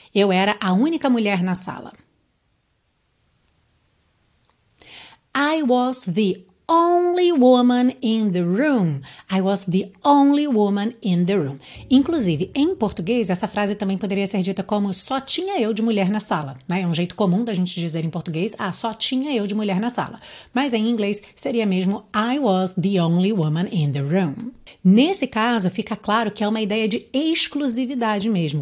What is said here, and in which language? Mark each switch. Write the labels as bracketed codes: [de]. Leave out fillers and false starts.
[pt] Eu era a única mulher na sala. [en] I was the only woman in the room. I was the only woman in the room. [pt] Inclusive, em português, essa frase também poderia ser dita como só tinha eu de mulher na sala. Né? É um jeito comum da gente dizer em português, ah, só tinha eu de mulher na sala. Mas em inglês seria mesmo [en] I was the only woman in the room. [pt] Nesse caso, fica claro que é uma ideia de exclusividade mesmo.